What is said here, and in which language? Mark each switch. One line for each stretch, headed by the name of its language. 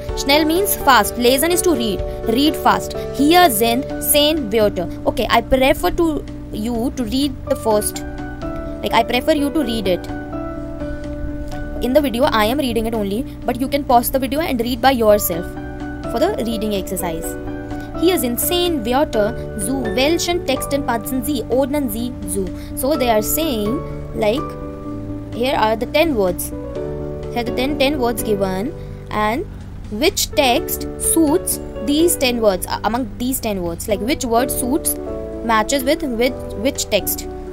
English: Schnell means fast. Lesen is to read. Read fast.
German: Hier sind zehn Wörter.
English: Okay, I prefer to you to read the first. Like, I prefer you to read it. In the video, I am reading it only. But you can pause the video and read by yourself for the reading exercise.
German: Hier sind zehn Wörter zu welchen Texten passen Sie? Ordnen Sie zu.
English: So, they are saying, like, here are the 10 words. Here are the 10 words given. And which text suits these 10 words? Among these 10 words. Like, which word suits, matches with which text?